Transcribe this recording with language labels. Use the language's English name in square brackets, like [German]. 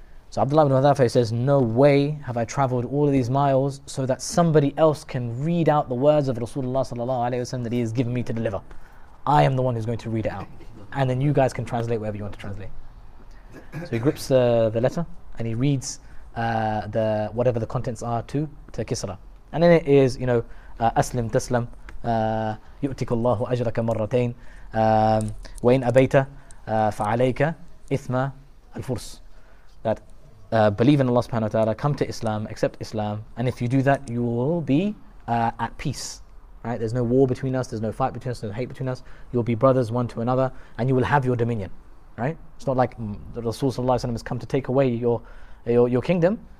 [English] So Abdullah ibn Hudhafa says, no way have I traveled all of these miles so that somebody else can read out the words of Rasulullah ﷺ that he has given me to deliver. I am the one who's going to read it out, and then you guys can translate whatever you want to translate. So he grips the letter and he reads whatever the contents are to Kisra. And then it is, you know, [Arabic] أسلم تسلم يؤتك الله أجرك مرتين وإن أبيت فعليك إثم الفرس. [English] That believe in Allah subhanahu wa ta'ala, come to Islam, accept Islam, and if you do that, you will be at peace. Right? There's no war between us, there's no fight between us, there's no hate between us. You'll be brothers one to another, and you will have your dominion. right? It's not like the Rasulullah has come to take away your kingdom.